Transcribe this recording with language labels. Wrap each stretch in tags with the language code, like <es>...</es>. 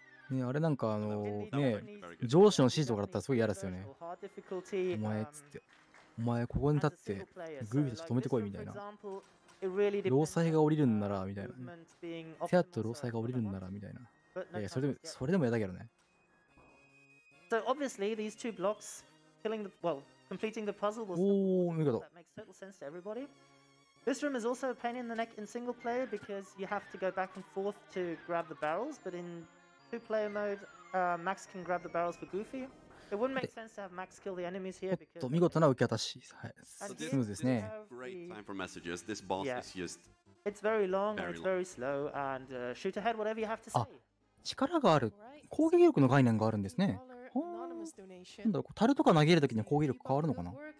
<ja>ね、あれなんかあのね、上司の指示とかだったらすごい嫌ですよね。お前っつって、お前ここに立ってグーフィーたち止めてこいみたいな。ローサが降りるんならみたいな。テアとローサが降りるんならみたいな。いや、それでも嫌だけどね。</ja> <en>So obviously these two blocks killing the well. Completing the puzzle was that makes total sense to everybody. This room is also a pain in the neck in single player because you have to go back and forth to grab the barrels. But in two player mode, Max can grab the barrels for Goofy. It wouldn't make sense to have Max kill the enemies here because.</en> <ja>見事な受け渡し、はい、スムーズですね。</ja> <en>Great time for messages. This boss is just. It's very long and it's very slow. And shoot ahead, whatever you have to say.</en> <ja>あ、力がある。攻撃力の概念があるんですね。なんだろう、樽とか投げるときに攻撃力変わるのかな。</ja>